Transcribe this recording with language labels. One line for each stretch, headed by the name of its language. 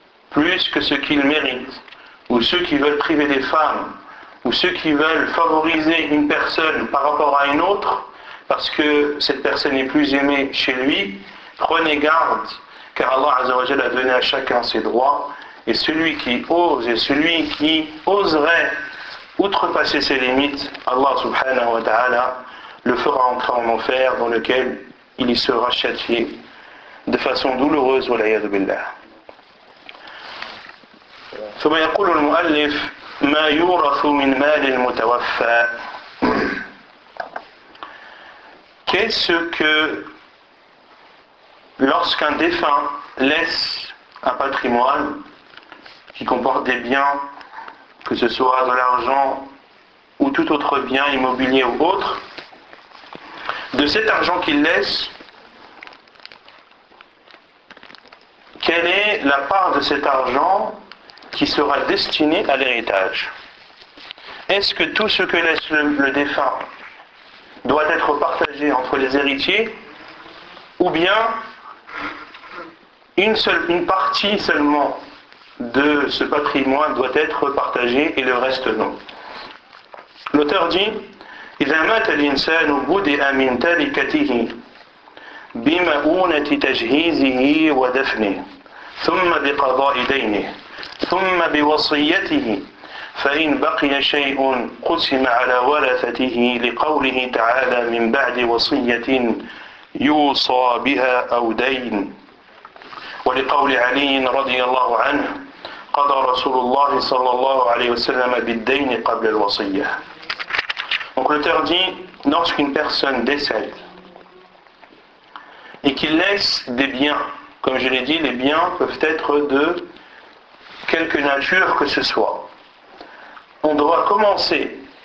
French: plus que ce qu'ils méritent, ou ceux qui veulent priver des femmes, ou ceux qui veulent favoriser une personne par rapport à une autre, parce que cette personne est plus aimée chez lui, prenez garde, car Allah Azza wa Jalla a donné à chacun ses droits, et celui qui ose, et celui qui oserait outrepasser ses limites, Allah subhanahu wa ta'ala le fera entrer en enfer dans lequel il y sera châtié de façon douloureuse,
Arabic: wa l'ayadu billah. ثم يقول المؤلف ما يورث من مال المتوفى.
French: Qu'est-ce que lorsqu'un défunt laisse un patrimoine qui comporte des biens, que ce soit de l'argent ou tout autre bien immobilier ou autre, de cet argent qu'il laisse, quelle est la part de cet argent qui sera destinée à l'héritage? Est-ce que tout ce que laisse le défunt doit être partagé entre les héritiers, ou bien une partie seulement de ce patrimoine doit être partagé et le reste non? L'auteur dit:
Arabic: إذا مات الإنسان بدأ من تركته بمؤونة تجهيزه ودفنه ثم بقضاء دينه ثم بوصيته فإن بقي شيء قسم على ورثته لقوله تعالى من بعد وصية يوصى بها أو دين ولقول علي رضي الله عنه قضى رسول الله صلى الله عليه وسلم بالدين قبل الوصية.
French: Donc l'auteur dit, lorsqu'une personne décède et qu'il laisse des biens, comme je l'ai dit, les biens peuvent être de quelque nature que ce soit, on doit commencer,